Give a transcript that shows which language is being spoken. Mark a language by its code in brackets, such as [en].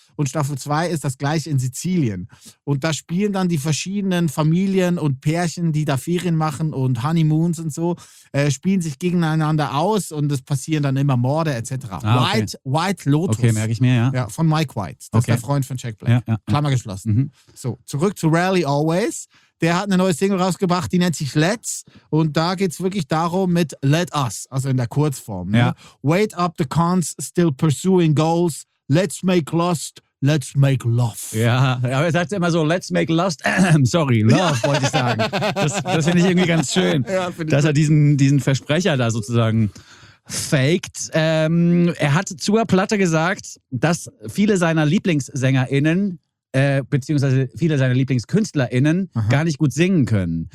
[de] Und Staffel 2 ist das gleiche in Sizilien. Und da spielen dann die verschiedenen Familien und Pärchen, die da Ferien machen und Honeymoons und so, spielen sich gegeneinander aus und es passieren dann immer Morde etc. White Lotus. Okay, merke ich mir, ja. Ja, von Mike White. Das ist der Freund von Jack Black. Ja, ja, Klammer geschlossen. Mhm. So, zurück zu Rarely Always. Der hat eine neue Single rausgebracht, die nennt sich Let's. Und da geht es wirklich darum mit Let Us, also in der Kurzform. Ja. Ne? [en] Wait up the cons, still pursuing goals. Let's make lust, let's make love. [de] Ja, aber er sagt immer so, [en] let's make lust, [de] sorry, love, wollte ich sagen. Das finde ich irgendwie ganz schön, dass er diesen Versprecher da sozusagen faked. Er hat zur Platte gesagt, dass viele seiner LieblingssängerInnen beziehungsweise viele seiner LieblingskünstlerInnen gar nicht gut singen können.